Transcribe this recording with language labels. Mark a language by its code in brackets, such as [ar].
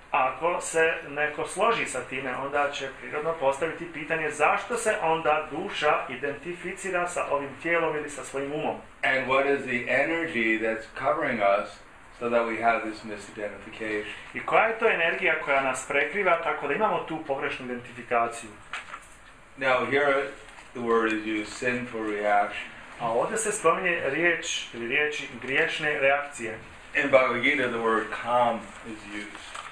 [bs] Ako se neko složi sa time, onda će prirodno postaviti pitanje zašto se onda duša identificira sa ovim tijelom ili sa svojim umom? [en] And what is the energy that's covering us so that we have this misidentification? [bs] I koja je to energija koja nas prekriva tako da imamo tu pogrešnu identifikaciju? [en] Now here the word is used sinful reaction. [bs] A ovdje se spominje riječ ili riječi griješne reakcije. [en] In Bhagavad Gita the word calm is used.